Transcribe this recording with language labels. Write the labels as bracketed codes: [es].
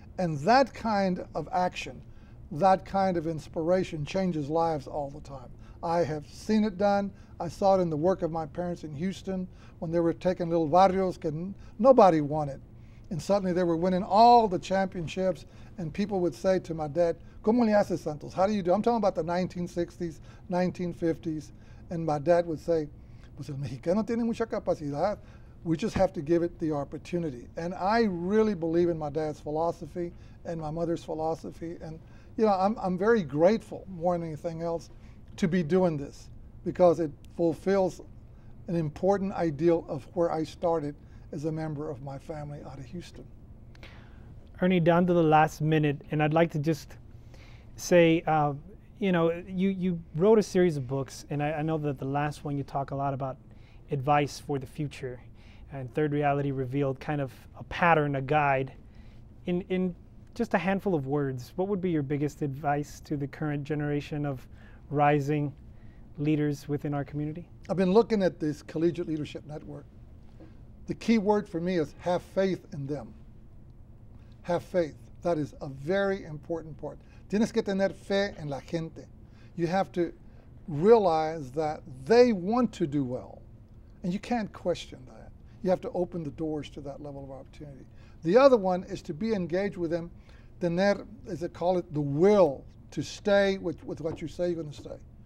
[en] And that kind of action, that kind of inspiration changes lives all the time. I have seen it done. I saw it in the work of my parents in Houston when they were taking little barrios, and nobody wanted. And suddenly they were winning all the championships, and people would say to my dad, [es] ¿Cómo le haces, Santos? [en] How do you do? I'm talking about the 1960s, 1950s. And my dad would say, [es] pues el mexicano tiene mucha capacidad. [en] We just have to give it the opportunity. And I really believe in my dad's philosophy and my mother's philosophy. And, you know, I'm very grateful, more than anything else, to be doing this, because it fulfills an important ideal of where I started as a member of my family out of Houston. Ernie, down to the last minute, and I'd like to just say, you know, you wrote a series of books, and I know that the last one you talk a lot about advice for the future, and Third Reality Revealed, kind of a pattern, a guide. In just a handful of words, what would be your biggest advice to the current generation of rising leaders within our community? I've been looking at this Collegiate Leadership Network. The key word for me is have faith in them. Have faith. That is a very important part. [es] Tienes que tener fe en la gente. [en] You have to realize that they want to do well. And you can't question that. You have to open the doors to that level of opportunity. The other one is to be engaged with them. Tener, as they call it, the will to stay with what you say you're going to stay.